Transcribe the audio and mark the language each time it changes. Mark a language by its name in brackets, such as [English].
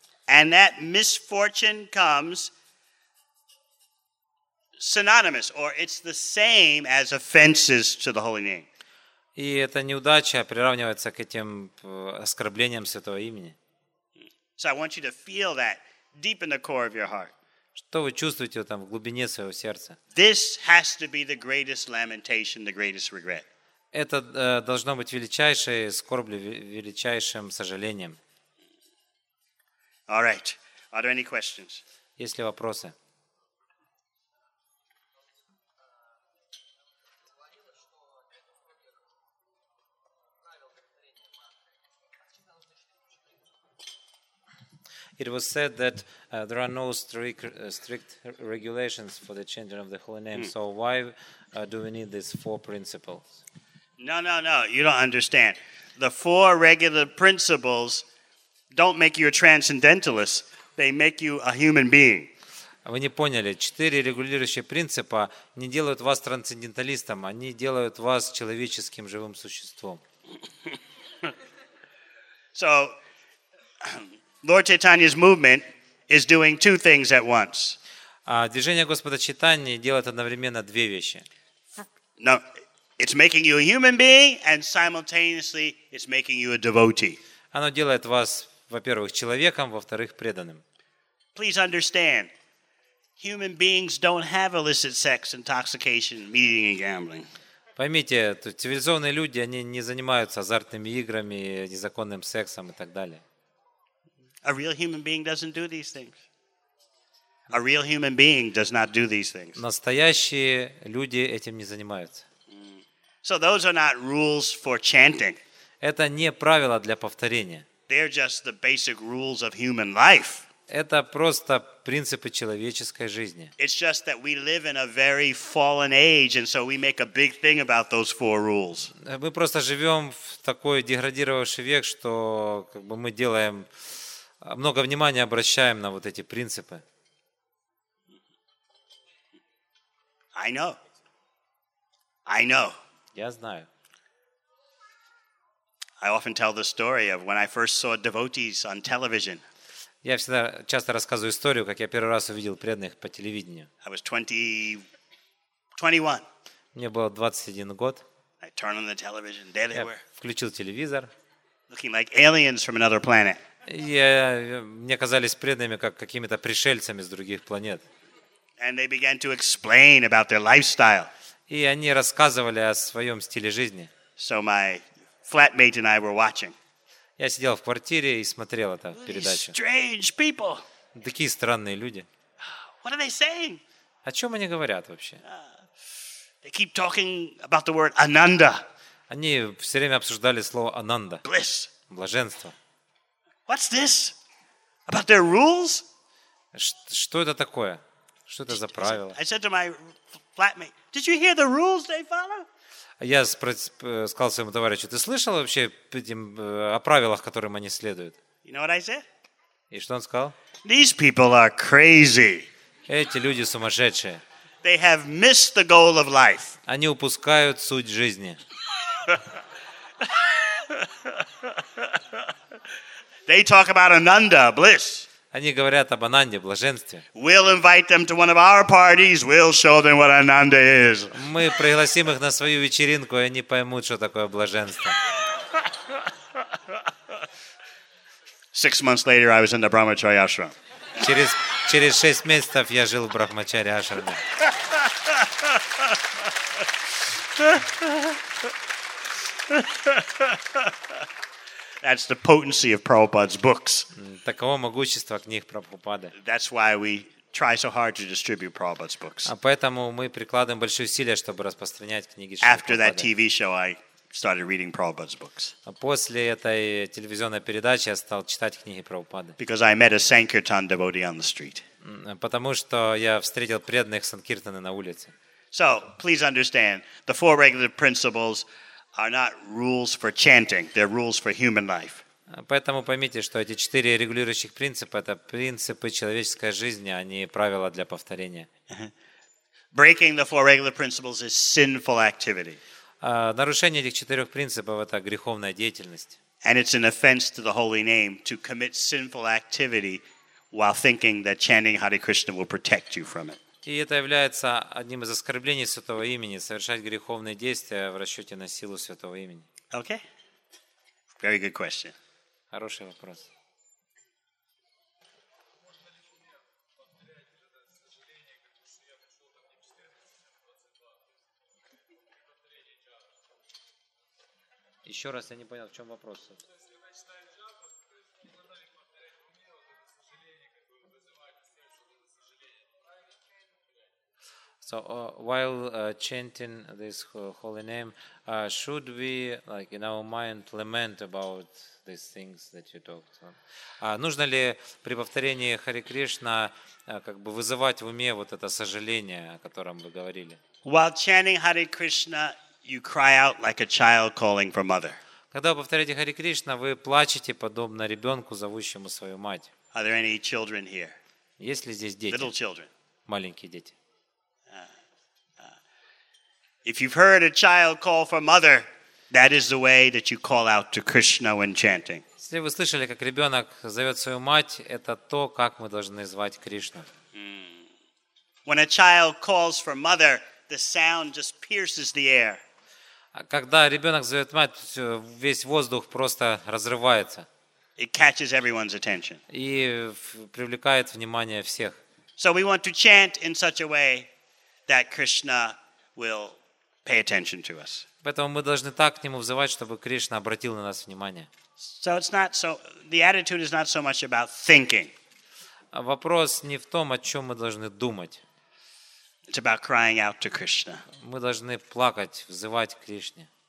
[English] And that misfortune comes synonymous, or it's the same as offenses to the holy name. [Russian] И эта неудача приравнивается к этим оскорблениям святого имени. [English] So I want you to feel that deep in the core of your heart. [Russian] Что вы чувствуете там в глубине своего сердца? [English] This has to be the greatest lamentation, the greatest regret. [Russian] Это должно быть величайшей скорбью, величайшим сожалением. [English] All right. Are there any questions? [Russian] Есть ли вопросы? [English] It was said that there are no strict regulations for the chanting of the holy name. So why do we need these four principles? No. You don't understand. The four regular principles don't make you a transcendentalist. They make you a human being. [Russian] Вы не поняли. Четыре регулирующие принципа не делают вас трансценденталистом. Они делают вас человеческим живым существом. [English] So Lord Chaitanya's movement is doing two things at once. [Russian] Движение Господа Чайтаньи делает одновременно две вещи. [English] No, it's making you a human being, and simultaneously, it's making you a devotee. [Russian] Оно делает вас, во-первых, человеком, во-вторых, преданным. [English] Please understand, human beings don't have illicit sex, intoxication, meeting, and gambling. [Russian] Поймите, цивилизованные люди, они не занимаются азартными играми, незаконным сексом и так далее. [English] A real human being doesn't do these things. A real human being does not do these things. [Russian] Настоящие люди этим не занимаются. [English] So those are not rules for chanting. [Russian] Это не правила для повторения. [English] They're just the basic rules of human life. [Russian] Это просто принципы человеческой жизни. [English] It's just that we live in a very fallen age, and so we make a big thing about those four rules. [Russian] Мы просто живем в такой деградировавший век, что как бы мы делаем много внимания обращаем на вот эти принципы. [English] I know. [Russian] Я знаю. [English] I often tell the story of when I first saw devotees on television. [Russian] Я всегда часто рассказываю историю, как я первый раз увидел преданных по телевидению. [English] I was 21. [Russian] Мне было 21 год. [English] I turned on the television. There they were. [Russian] Включил телевизор. [English] Looking like aliens from another planet. [Russian] Мне казались преданными как какими-то пришельцами с других планет. [English] And they began to explain about their lifestyle. [Russian] И они рассказывали о своем стиле жизни. [English] So my flatmate and I were watching. [Russian] Я сидел в квартире и смотрел эту передачу. [English] Strange people. [Russian] Такие странные люди. [English] What are they saying? [Russian] О чем они говорят вообще? [English] They keep talking about the word Ananda. [Russian] Они все время обсуждали слово Ананда. [English] Bliss. [Russian] Блаженство. [English] What's this about their rules? [Russian] Что это такое? Что это за правила? [English] I said to my flatmate, "Did you hear the rules they follow?" [Russian] Я сказал своему товарищу, ты слышал вообще о правилах, которым они следуют? [English] You know what I said? [Russian] И что он сказал? [English] These people are crazy. [Russian] Эти люди сумасшедшие. [English] They have missed the goal of life. [Russian] Они упускают суть жизни. [English] They talk about Ananda, bliss. [Russian] Они говорят об Ананде, блаженстве. [English] We'll invite them to one of our parties. We'll show them what Ananda is. [Russian] Мы пригласим их на свою вечеринку, и они поймут, что такое блаженство. [English] 6 months later, I was in the Brahmacharya ashram. [Russian] Через 6 месяцев я жил в Брахмачарья ашраме. [English] That's the potency of Prabhupada's books. [Russian] Таково могущество книг Прабхупады. [English] That's why we try so hard to distribute Prabhupada's books. [Russian] А поэтому мы прикладываем большие усилия, чтобы распространять книги. [English] After that TV show, I started reading Prabhupada's books. [Russian] А после этой телевизионной передачи я стал читать книги Прабхупады. [English] Because I met a Sankirtan devotee on the street. [Russian] Потому что я встретил преданных санкиртаны на улице. [English] So please understand, the four regulative principles are not rules for chanting; they're rules for human life. [Russian] Поэтому поймите, что эти 4 регулирующих принципа — это принципы человеческой жизни, а не правила для повторения. [English] Breaking the four regular principles is sinful activity. [Russian] Нарушение этих 4 принципов — это греховная деятельность. [English] And it's an offense to the holy name to commit sinful activity while thinking that chanting Hare Krishna will protect you from it. [Russian] И это является одним из оскорблений Святого Имени — совершать греховные действия в расчете на силу Святого Имени. [English] Okay. Very good question. [Russian] Хороший вопрос. Еще раз, я не понял, в чем вопрос. [English] So while chanting this holy name, should we, like in our mind, lament about these things that you talked about? [Russian] Нужно ли при повторении Хари Кришна как бы вызывать в уме вот это сожаление, о котором вы говорили? [English] While chanting Hari Krishna, you cry out like a child calling for mother. [Russian] Когда вы повторяете Хари Кришна, вы плачете подобно ребенку, зовущему свою мать. [English] Are there any children here? [Russian] Есть ли здесь дети? [English] Little children. [Russian] Маленькие дети. [English] If you've heard a child call for mother, that is the way that you call out to Krishna when chanting. [Russian] Если вы слышали, как ребенок зовет свою мать, это то, как мы должны звать Кришну. [English] When a child calls for mother, the sound just pierces the air. [Russian] Когда ребенок зовет мать, весь воздух просто разрывается. [English] It catches everyone's attention. [Russian] И привлекает внимание всех. [English] So we want to chant in such a way that Krishna will pay attention to us. [Russian] Поэтому мы должны так к нему взывать, чтобы Кришна обратил на нас внимание. [English] So it's not so. The attitude is not so much about thinking. [Russian] Вопрос не в том, о чем мы должны думать. [English] It's about crying out to Krishna. [Russian] Мы должны плакать, взывать к Кришне.